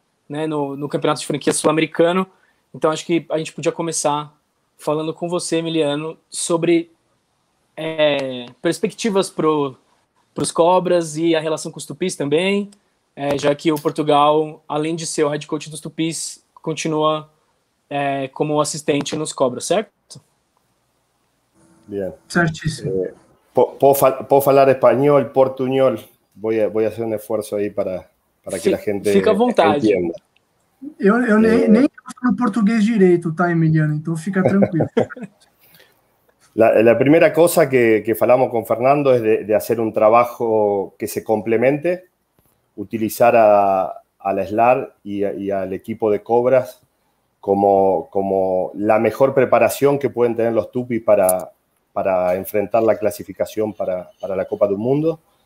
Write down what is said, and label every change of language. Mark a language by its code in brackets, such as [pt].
[pt] Né, no Campeonato de Franquia Sul-Americano. Então, acho que a gente podia começar falando com você, Emiliano, sobre perspectivas para os Cobras e a relação com os Tupis também, já que o Portugal, além de ser o head coach dos Tupis, continua como assistente nos Cobras, certo? [es] Bien. [pt] Certíssimo. [es] Puedo hablar español, portuñol. Voy a hacer un esfuerzo ahí para que la [pt] Fica à gente vontade. [es] entienda. [pt] Eu nem falo português direito, tá, Emiliano? Então fica tranquilo. [es] La primera cosa que [pt] falamos [es] con Fernando es de hacer un trabajo que se complemente, utilizar a la SLAR y al equipo de Cobras como la mejor preparación que pueden tener los Tupis para enfrentar la clasificación para la Copa del Mundo.